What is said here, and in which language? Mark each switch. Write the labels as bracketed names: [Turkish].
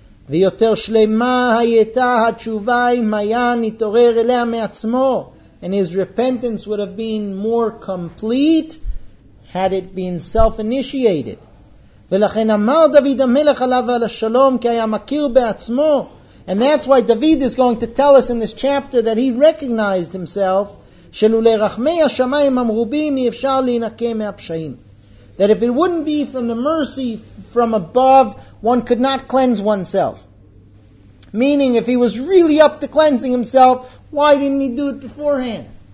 [Hebrew] ויותר שלמה הייתה התשובה אם היה נתעורר אליה מעצמו. [English] And his repentance would have been more complete had it been self-initiated. [Hebrew] ולכן אמר דוד המלך עליו ועל השלום כי היה מכיר בעצמו. [English] And that's why David is going to tell us in this chapter that he recognized himself [Hebrew] שלולי רחמי השמיים המרובים אי אפשר להינקם מהפשעים. [English] That if it wouldn't be from the mercy from above, one could not cleanse oneself. Meaning, if he was really up to cleansing himself, why didn't he do it beforehand?